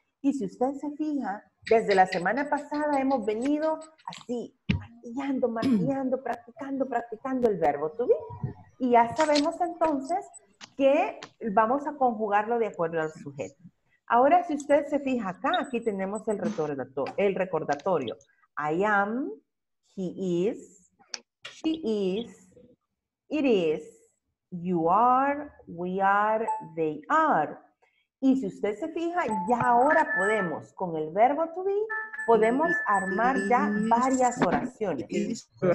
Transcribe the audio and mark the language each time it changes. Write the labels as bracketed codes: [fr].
[es] Y si usted se fija, desde la semana pasada hemos venido así, martillando, practicando el verbo to be. Y ya sabemos entonces que vamos a conjugarlo de acuerdo al sujeto. Ahora, si usted se fija acá, aquí tenemos el recordatorio. [en] I am, he is, she is, it is, you are, we are, they are. [es] Y si usted se fija, ya ahora podemos, con el verbo to be, podemos armar ya varias oraciones.